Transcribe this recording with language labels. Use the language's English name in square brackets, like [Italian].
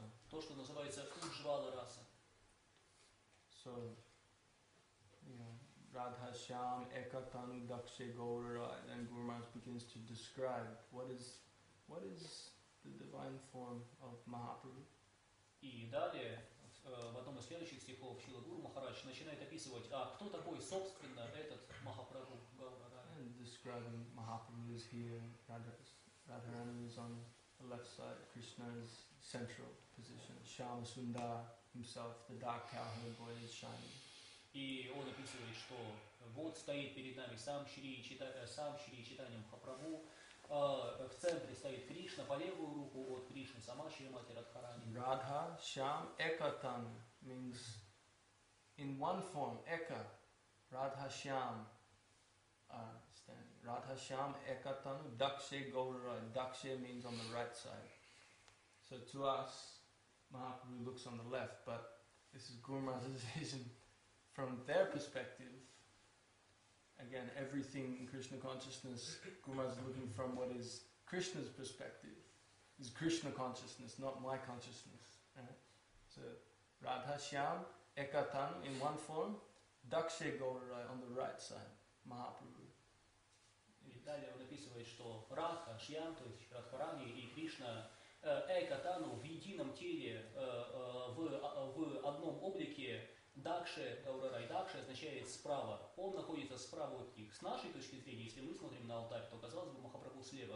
[Russian] То, что называется Уджвала раса. [English] So, Radha Shyam Ekatanu Dakshe Gaurara, and then Guru Maharaj begins to describe what is the divine form of Mahaprabhu. [Russian] И далее в одном из следующих стихов Шрила Гуру Махарадж начинает описывать, а кто такой собственно этот Махапрабху Гаурара. [English] And describing Mahaprabhu is here, Radharani is on the left side, Krishna's central position, Shyam Sundar himself, the dark cowherd boy is shining. [Russian] И он описывает, что вот стоит перед нами сам Шри Чайтанья Махапрабху, в центре стоит Кришна, по левую руку от Кришны, сама Шримати Радхарани. [English] Radha Shyam Ekatan means in one form, Eka, Radha Shyam, Radha Shyam Ekatan, Dakshe Gaurara, Dakshe means on the right side. So to us, Mahaprabhu looks on the left, but this is Guru Maharaj's vision. From their perspective, again, everything in Krishna consciousness, Guru Maharaj is looking from what is Krishna's perspective, is Krishna consciousness, not my consciousness. Right? So, Radha Shyam Ekatan in one form, Dakshe Gaurarai on the right side, Mahaprabhu. [Russian] Далее он описывает, что Радха, Шьям, то есть Радхарани и Кришна, Экатану в едином теле, в одном облике, Дакше Гаурарай. Дакше означает справа. Он находится справа от них. С нашей точки зрения, если мы смотрим на алтарь, то, казалось бы, Махапрабху слева.